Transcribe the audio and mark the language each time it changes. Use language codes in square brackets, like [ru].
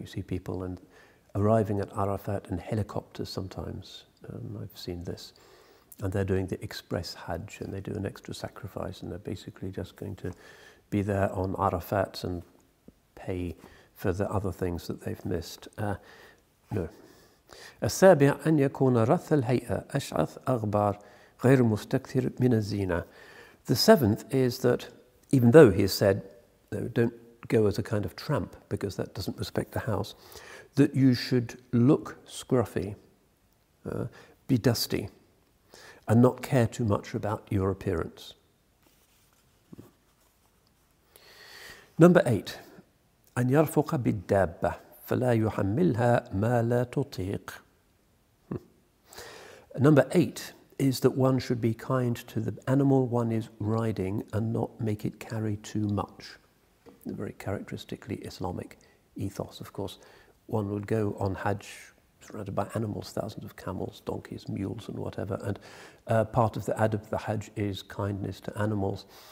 [en] You see people and arriving at Arafat in helicopters sometimes. I've seen this. And they're doing the express Hajj and they do an extra sacrifice and they're basically just going to be there on Arafat and pay for the other things that they've missed. No. [ar] السابع أن يكون رث الهيئة أشعث أغبار غير مستكثر من الزينة. [en] The seventh is that even though he has said, don't go as a kind of tramp, because that doesn't respect the house, that you should look scruffy. be dusty and not care too much about your appearance. Number 8, [ar] أن يرفق بالدابة فلا يحملها ما لا تطيق. [en] Number 8 is that one should be kind to the animal one is riding and not make it carry too much. A very characteristically Islamic ethos, of course. One would go on Hajj surrounded by animals, thousands of camels, donkeys, mules and whatever, and part of the adab of the Hajj is kindness to animals.